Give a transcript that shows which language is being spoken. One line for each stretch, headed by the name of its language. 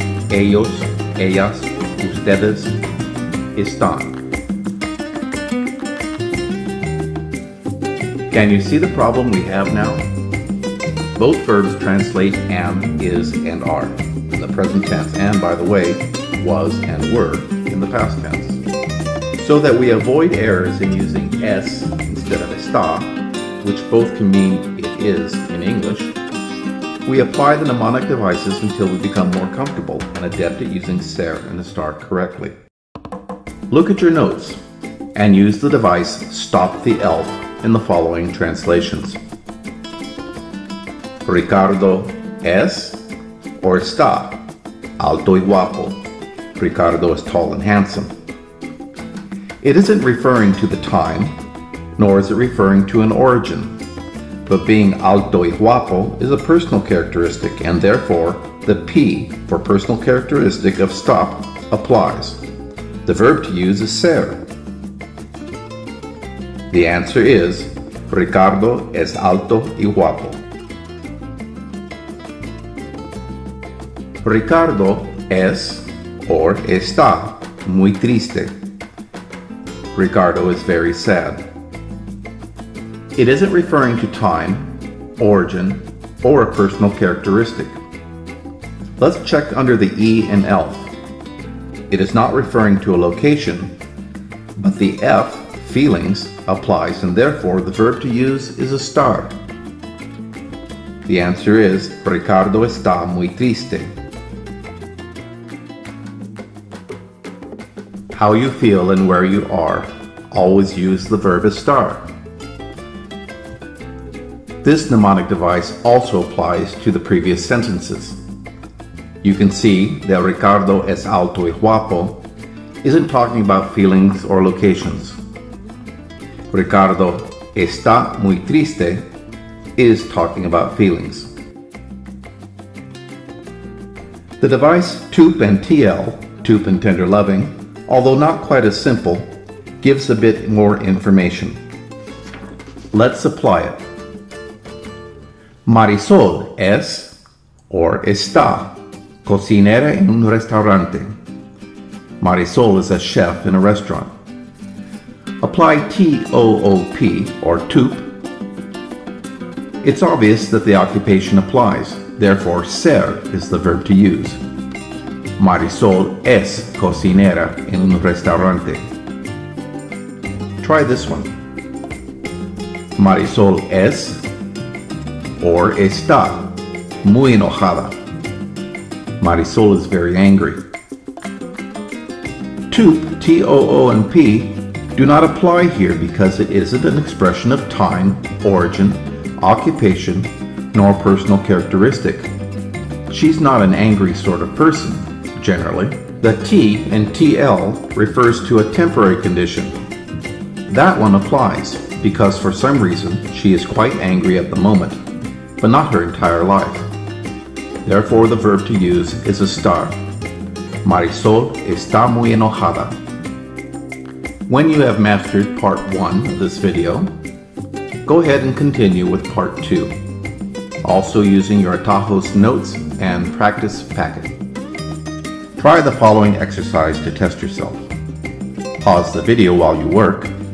Spanish: Ellos, ellas, ustedes están.
English: Can you see the problem we have now? Both verbs translate am, is, and are in the present tense, and by the way, was and were in the past tense. So that we avoid errors in using es instead of está, which both can mean it is in English, we apply the mnemonic devices until we become more comfortable and adept at using ser and estar correctly. Look at your notes. and use the device Stop the Elf in the following translations.
Spanish: Ricardo es
English: or
Spanish: está alto y guapo.
English: Ricardo is tall and handsome. It isn't referring to the time, nor is it referring to an origin, but being
Spanish: alto y guapo
English: is a personal characteristic, and therefore the P for personal characteristic of stop applies. The verb to use is ser. The answer is
Spanish: Ricardo es alto y guapo. Ricardo es
English: or
Spanish: está muy triste.
English: Ricardo is very sad. It isn't referring to time, origin, or a personal characteristic. Let's check under the E in elf. It is not referring to a location, but the F, feelings, applies, and therefore the verb to use is estar. The answer is
Spanish: Ricardo está muy triste.
English: How you feel and where you are, always use the verb estar. This mnemonic device also applies to the previous sentences. You can see that
Spanish: Ricardo es alto y guapo
English: isn't talking about feelings or locations.
Spanish: Ricardo está muy triste
English: is talking about feelings. The device TUP and TL, TUP and Tender Loving, although not quite as simple, gives a bit more information. Let's apply it.
Spanish: Marisol es
English: or
Spanish: está cocinera en un restaurante.
English: Marisol is a chef in a restaurant. Apply TOOP or TOOP. It's obvious that the occupation applies, therefore ser is the verb to use.
Spanish: Marisol es cocinera en un restaurante.
English: Try this one.
Spanish: Marisol es
English: or
Spanish: está muy enojada.
English: Marisol is very angry. TOOP, T-O-O and P do not apply here because it isn't an expression of time, origin, occupation, nor personal characteristic. She's not an angry sort of person, generally. The T in TL refers to a temporary condition. That one applies because for some reason she is quite angry at the moment, but not her entire life. Therefore, the verb to use is estar.
Spanish: Marisol está muy enojada.
English: When you have mastered part one of this video, go ahead and continue with part two, also using your Atajos notes and practice packet. Try the following exercise to test yourself. Pause the video while you work.